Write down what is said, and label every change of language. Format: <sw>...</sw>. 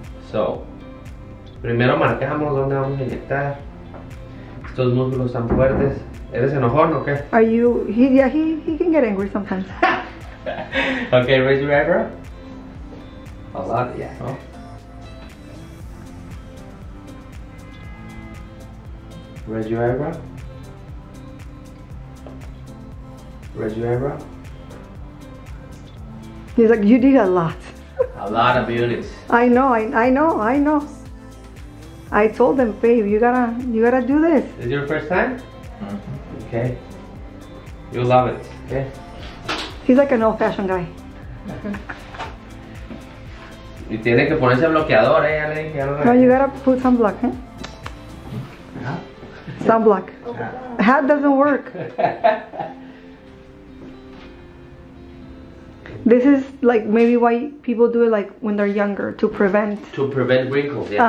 <es>So, primero marcamos dónde vamos a inyectar. Estos músculos están fuertes. ¿Eres enojón o qué?</es> <en>Are you... He, yeah, he can get angry sometimes. Okay, raise your eyebrow. A lot, yeah. Oh. Raise your eyebrow. Raise your eyebrow. He's like, you did a lot. A lot of units. I know, I know, I know. I told them, babe, you gotta do this. Is it your first time? Mm-hmm. Okay. You'll love it, okay? He's like an old-fashioned guy.</en> <es>Y tiene que ponerse bloqueador, eh.</es> <en>No, you gotta put some block, eh? Sunblock. Oh, hat doesn't work. This is like maybe why people do it like when they're younger to prevent. To prevent wrinkles, yeah.</en>